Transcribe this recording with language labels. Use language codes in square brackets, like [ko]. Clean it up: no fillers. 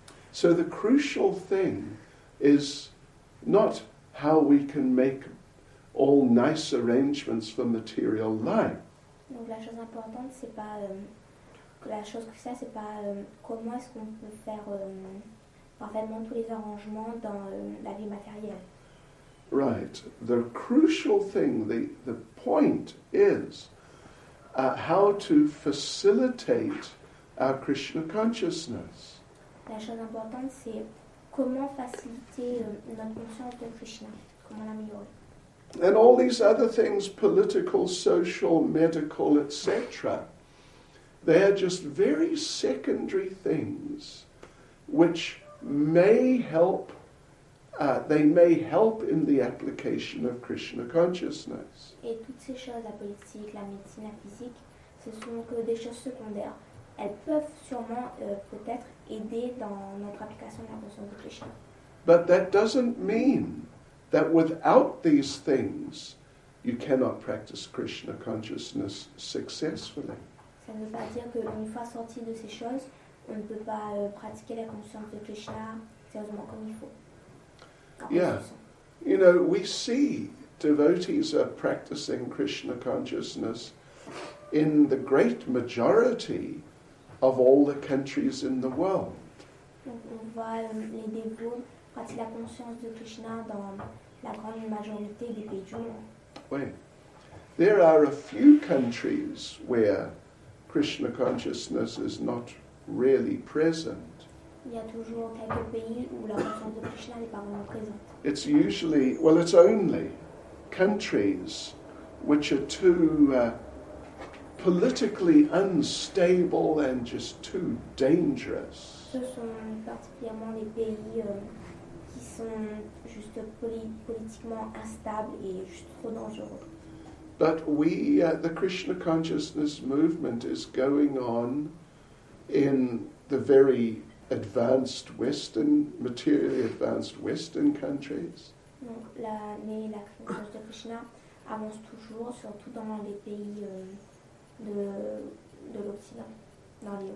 [en] So the crucial thing is not how we can make all nice arrangements for material life. [fr] Donc la chose importante, c'est pas la chose cruciale, c'est pas comment est-ce qu'on peut faire parfaitement tous les arrangements dans la vie matérielle. [en] Right. The crucial thing, the point is how to facilitate our Krishna consciousness. [fr] La chose importante, c'est comment faciliter notre conscience de Krishna, comment l'améliorer. [en] And all these other things, political, social, medical, etc., they are just very secondary things which may help, they may help in the application of Krishna consciousness. [fr] Et toutes ces choses, la politique, la médecine, la physique, ce sont que des choses secondaires. Elles peuvent sûrement peut-être aider dans notre application de la conscience de Krishna. [en] But that doesn't mean that without these things, you cannot practice Krishna consciousness successfully. [fr] Ça ne veut pas dire que une fois sorti de ces choses, on ne peut pas pratiquer la conscience de Krishna sérieusement comme il faut. [en] Yeah, you know, we see devotees are practicing Krishna consciousness in the great majority of all the countries in the world. [fr] Donc on voit les dévots pratiquent la conscience de Krishna dans la grande majorité des pays du monde. Oui. [en] There are a few countries where Krishna consciousness is not really present. [fr] Il y a toujours quelques pays où la conscience de Krishna n'est pas vraiment présente. [en] It's usually, well, it's only countries which are too politically unstable and just too dangerous. [fr] Ce sont particulièrement les pays qui sont juste politiquement instables et juste trop dangereux. [en] But we, the Krishna consciousness movement is going on in the very advanced Western, materially advanced Western countries. [fr] Donc la conscience de Krishna avance toujours, surtout dans les pays de l'Occident, dans les